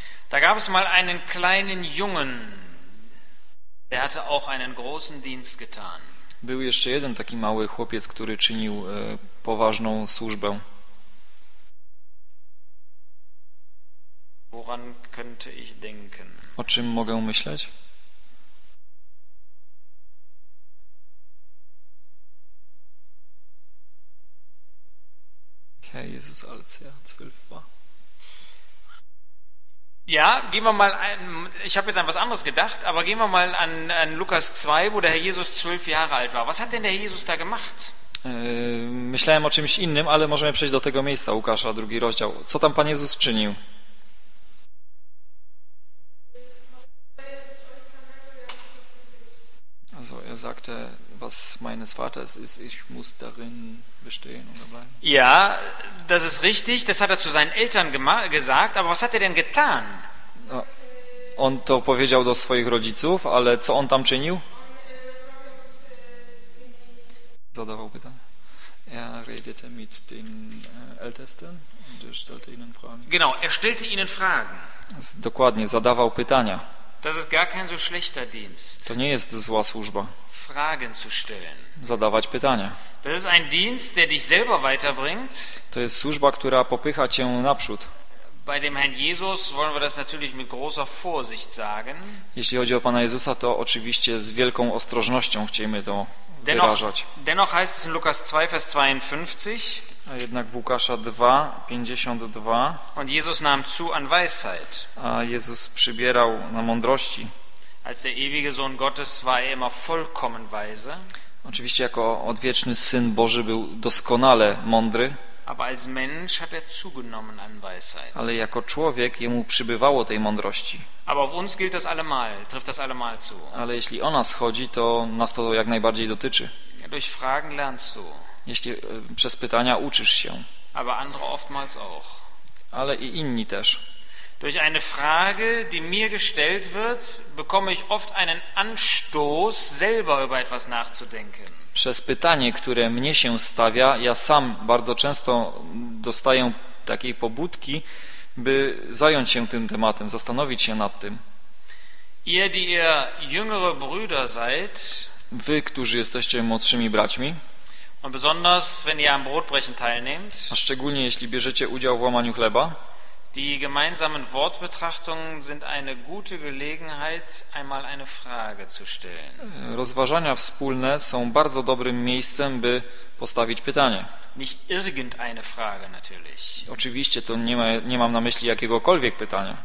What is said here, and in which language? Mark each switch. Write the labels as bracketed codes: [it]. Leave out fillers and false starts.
[de] Da gab es mal einen kleinen Jungen, der hatte auch einen großen Dienst getan. [pl] Był jeszcze jeden taki mały chłopiec, który czynił poważną służbę. [de] Woran könnte ich denken? [pl] O czym mogę myśleć? [de] Herr Jesus, als er 12 war. Ja, gehen wir mal ein, ich habe jetzt an was anderes gedacht, aber gehen wir mal an Lukas 2, wo der Herr Jesus 12 Jahre alt war. Was hat denn der Herr Jesus da gemacht? [pl] Myślałem o czymś innym, ale możemy przejść do tego miejsca, Łukasza, drugi rozdział. Co tam Pan Jezus czynił? [de] Also er sagte, was meines Vaters ist, ich muss darin bestehen oder bleiben. Ja, das ist richtig, das hat er zu seinen Eltern gesagt, aber was hat er denn getan? [pl] No, on to powiedział do swoich rodziców, ale co on tam czynił? Zadawał pytanie. [de] Er redete mit den Ältesten und er stellte ihnen Fragen. Genau, er stellte ihnen Fragen. [pl] Dokładnie, zadawał pytania. [de] Das ist gar kein so schlechter Dienst. [pl] To nie jest zła służba. [de] Fragen zu stellen. [pl] Zadawać pytania. [de] Das ist ein Dienst, der dich selber weiterbringt. [pl] To jest służba, która popycha cię naprzód. [de] Bei dem Herrn Jesus wollen wir das natürlich mit großer Vorsicht sagen. [pl] Jeśli chodzi o Pana Jezusa, to oczywiście z wielką ostrożnością chcemy to wyrażać. [de] Dennoch heißt es in Lukas 2, Vers 52. [pl] A jednak w Łukasza 2, 52. [de] Und Jesus nahm zu an Weisheit. [pl] A Jezus przybierał na mądrości. [de] Als der ewige Sohn Gottes war er immer vollkommen weise. [pl] Oczywiście jako odwieczny Syn Boży był doskonale mądry. [de] Aber als Mensch hat zugenommen an Weisheit. [pl] Ale jako człowiek jemu przybywało tej mądrości. [de] Aber auf uns gilt das allemal, trifft das allemal zu. [pl] Ale jeśli o nas chodzi, to nas to jak najbardziej dotyczy. [de] Durch Fragen lernst du. [pl] Jeśli przez pytania uczysz się. [de] Aber andere oftmals auch. [pl] Ale i inni też. [de] Durch eine Frage, die mir gestellt wird, bekomme ich oft einen Anstoß, selber über etwas nachzudenken. [pl] Przez pytanie, które mnie się stawia, ja sam bardzo często dostaję takiej pobudki, by zająć się tym tematem, zastanowić się nad tym. [de] Ihr, die ihr jüngere Brüder seid, [pl] wy, którzy jesteście młodszymi braćmi, [de] und besonders, wenn ihr am Brotbrechen teilnehmt, [pl] a szczególnie jeśli bierzecie udział w łamaniu chleba, [de] die gemeinsamen Wortbetrachtungen sind eine gute Gelegenheit, einmal eine Frage zu stellen. [pl] Rozważania wspólne są bardzo dobrym miejscem, by postawić pytanie. [de] Nicht irgendeine Frage natürlich. [pl] Oczywiście to nie mam na myśli jakiegokolwiek pytania.